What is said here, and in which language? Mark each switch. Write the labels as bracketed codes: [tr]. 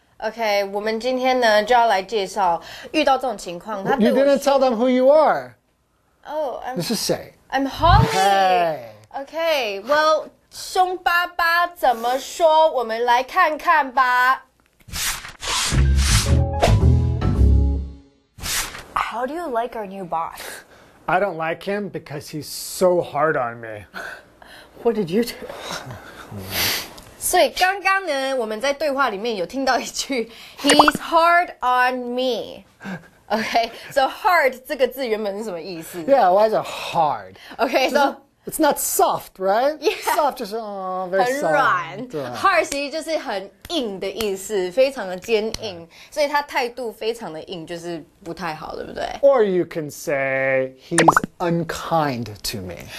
[zh] Okay, 我们今天呢就要来介绍遇到这种情况，他对我 [en] 凶。You didn't tell them who you are. Oh, this is 谁？ I'm Holly. Hey. Okay, well, [zh] 凶巴巴怎么说？我们来看看吧。 [en] How do you like our new boss? I don't like him because he's so hard on me. What did you do? [zh] 所以刚刚呢，我们在对话里面有听到一句 [en] He's hard on me. Okay, so [zh] hard 这个字原本是什么意思？ [en] Yeah, why is it hard? Okay, so It's not soft, right? Yeah, soft [zh] 就是 [en] very soft. [zh] 很软。Hard 其实就是很硬的意思，非常的坚硬。所以他态度非常的硬，就是不太好，对不对？ [en] Or you can say he's unkind to me.